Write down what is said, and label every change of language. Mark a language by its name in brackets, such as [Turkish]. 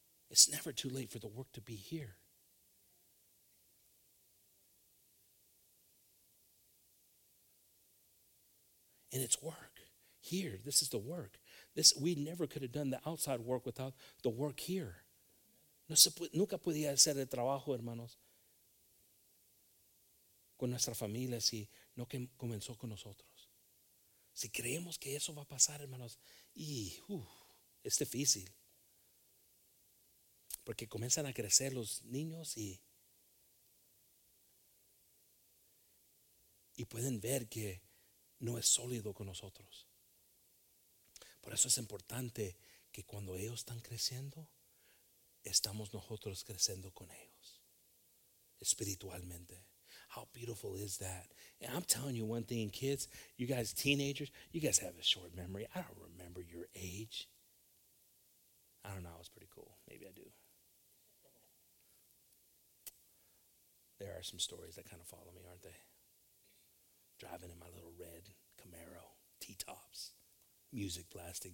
[English] It's never too late for the work to be here. And it's work here. This is the work. This, we never could have done the outside work without the work here. [Spanish] No se puede, nunca podía hacer el trabajo, hermanos. Con nuestra familia, si no que comenzó con nosotros. Si creemos que eso va a pasar, hermanos, y es difícil. Porque comienzan a crecer los niños y pueden ver que no es sólido con nosotros. Por eso es importante que cuando ellos están creciendo, estamos nosotros creciendo con ellos, espiritualmente. [English] How beautiful is that? And I'm telling you one thing, kids, you guys, teenagers, you guys have a short memory. I don't remember your age. I don't know. It's pretty cool. Maybe I do. There are some stories that kind of follow me, aren't they? Driving in my little red Camaro, T-tops, music blasting.